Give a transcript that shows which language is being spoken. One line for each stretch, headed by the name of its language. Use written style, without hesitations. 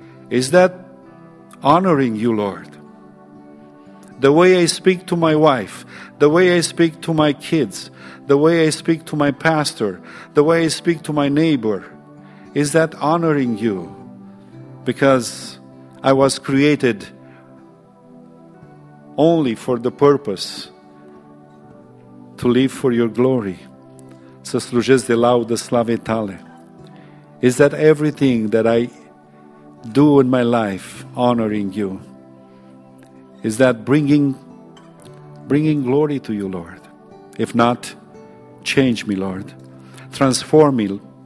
English: Is that honoring You, Lord? The way I speak to my wife, the way I speak to my kids, the way I speak to my pastor, the way I speak to my neighbor, is that honoring You? Because I was created only for the purpose to live for Your glory.
Romanian: Să slujesc de laudă slavei tale.
English: Is that everything that I do in my life honoring You? Is that bringing glory to You, Lord? If not, change me, Lord. Transform me.